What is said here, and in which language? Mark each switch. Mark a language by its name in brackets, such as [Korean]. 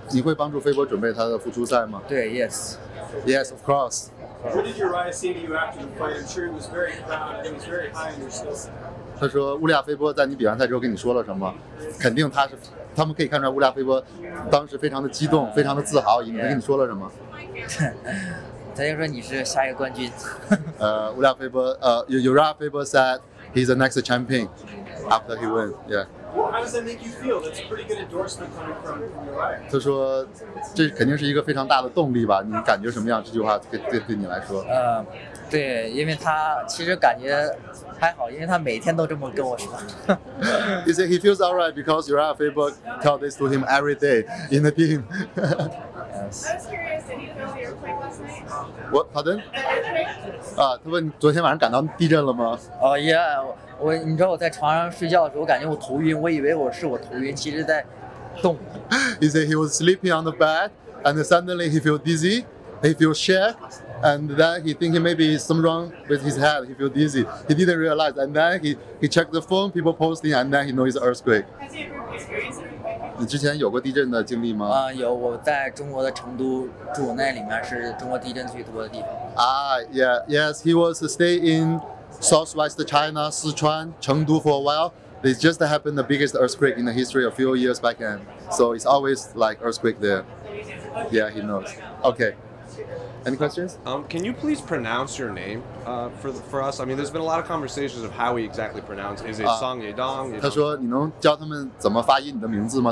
[Chinese] 你会帮助菲波准备他的复出赛吗？对 ， Yes. [English] Yes, of course. What did Urijah say to you after the fight? I'm sure he was very proud and he was very high on your skill set. [Chinese] 他说乌利亚菲波在你比完赛之后跟你说了什么？肯定他是，他们可以看出来乌利亚菲波当时非常的激动，非常的自豪。他跟你说了什么？他就说你是下一个冠军。 [English] 乌利亚菲波，Urijah Faber said he's the next champion after he wins. Yeah. Well, how does that make you feel? That's a pretty good endorsement coming from Urijah. He said, "This is definitely a big push, right? What do you feel? This sentence for you? [Chinese] 对，因为他其实感觉还好，因为他每天都这么跟我说。 [English] He said he feels alright because Urijah Faber tell this to him every day in the gym. Yes. What? Pardon? [Chinese] 他问你昨天晚上感到地震了吗？我你知道我在床上睡觉的时候，我感觉我头晕，我以为我头晕，其实在动。 [English] He said he was sleeping on the bed, and suddenly he feel dizzy, he feel shake, and then he thinking maybe something wrong with his head, he feel dizzy. He didn't realize, and then he checked the phone, people posting, and then he knows it's an earthquake. Has he ever experienced [Chinese] it? 你之前有过地震的经历吗？有，我在中国的成都住，那里面是中国地震最多的地方。 [English] Yes, he was stay in southwest China, Sichuan, Chengdu for a while. It just happened the biggest earthquake in the history a few years back then. So it's always like earthquake there. Yeah, he knows. Okay. Any questions? Can you please pronounce your name for us? I mean, there's been a lot of conversations of how we exactly pronounce. Is it Song Yadong? [Chinese] 他说你能教他们怎么发音你的名字吗？